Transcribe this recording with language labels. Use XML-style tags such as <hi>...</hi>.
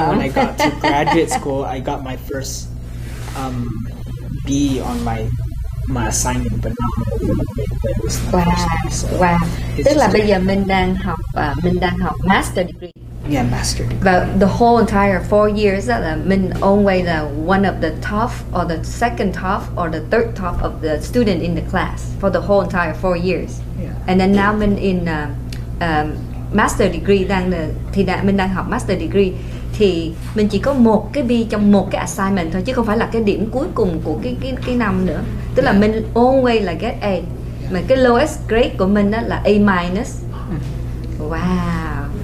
<en>And when I got to graduate school, I got my first B on my assignment, but not my overall grade. Wow! So wow!</en> <vi>Tức là bây giờ mình đang học master degree.</vi> <en>Yeah, master degree. But the whole entire 4 years that mình always the one of the top or the second top or the third top of the student in the class for the whole entire 4 years. Yeah.</en> <vi>And then now mình in master degree mình đang học master degree thì mình chỉ có một cái B trong một cái assignment thôi, chứ không phải là cái điểm cuối cùng của cái năm nữa. Tức là mình always là</vi> <en>get A. Yeah.</en> <vi>Mà cái lowest grade của mình đó là A minus. Wow.</vi>